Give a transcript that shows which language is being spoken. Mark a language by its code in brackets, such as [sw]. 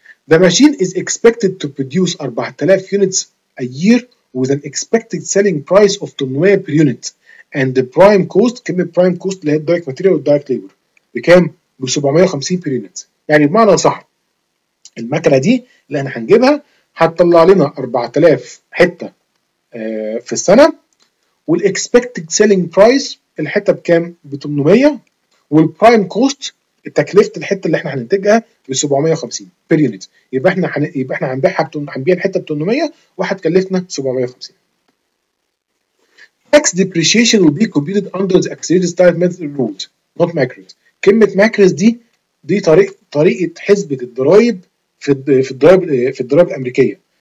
[en] The machine is expected to produce 4,000 units a year with an expected selling price of 800 per unit and the prime cost. [ar] كم البرايم كوست اللي هي الدايركت ماتيريال والدايركت ليبر؟ بكام؟ ب 750 per unit. يعني بمعنى صح المكنه دي اللي احنا هنجيبها هتطلع لنا 4,000 حته في السنة، والاكسبكتد سيلينج برايس الحتة بكام؟ ب 800، والبرايم كوست التكلفة الحتة اللي احنا هننتجها ب 750 بير يونت. يبقى احنا هنبيعها هنبيع الحتة ب 800 وهتكلفنا 750. [en] Tax depreciation will be computed under the accelerated start method rules not macros. [ar] كلمة macros دي طريقة حسبة الضرايب في الضرايب الأمريكية.